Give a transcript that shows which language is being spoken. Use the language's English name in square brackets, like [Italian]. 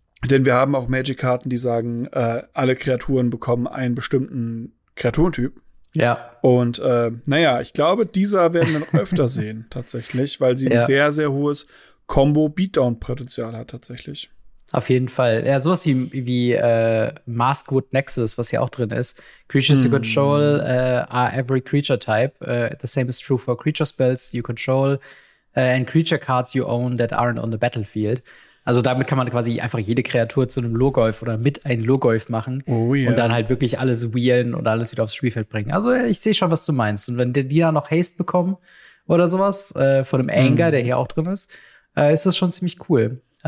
[German] Denn wir haben auch Magic-Karten, die sagen, alle Kreaturen bekommen einen bestimmten Kreaturentyp. Ja. Und ich glaube, dieser werden wir noch öfter sehen, tatsächlich, weil sie ein sehr, sehr hohes Combo-Beatdown-Potenzial hat, tatsächlich. Auf jeden Fall. Ja, sowas wie Maskwood Nexus, was hier auch drin ist. [English] Creatures you control are every creature type. The same is true for creature spells you control and creature cards you own that aren't on the battlefield. [German] Also damit kann man quasi einfach jede Kreatur zu einem Lurgolf oder mit einem Lurgolf machen und dann halt wirklich alles wheelen und alles wieder aufs Spielfeld bringen. Also ich sehe schon, was du meinst. Und wenn die da noch Haste bekommen oder sowas von einem Anger, der hier auch drin ist, ist das schon ziemlich cool.